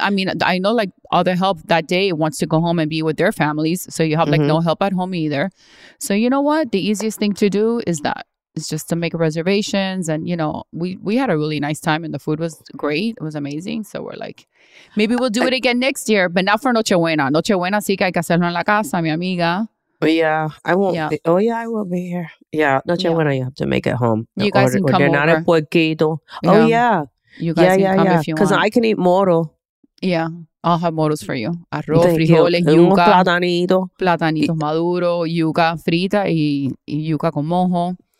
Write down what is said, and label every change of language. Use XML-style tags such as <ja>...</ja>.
<en>I mean, I know like all the help that day wants to go home and be with their families. So you have like no help at home either. So you know what? The easiest thing to do is that. It's just to make reservations. And, you know, we had a really nice time and the food was great. It was amazing. So we're like, maybe we'll do it again next year. But not for Nochebuena.</en> <es>Nochebuena sí que hay que hacerlo en la casa, mi amiga.</es> <en>I will be here. Yeah, Nochebuena, you have to make it home. You guys can come over. Puerquito. Oh, yeah. You guys can come if you want. Because I can eat moro. Yeah, I'll have moros for you.</en> <es>Arroz, frijoles, yuca. Platanito maduro, yuca frita y yuca con mojo.</es>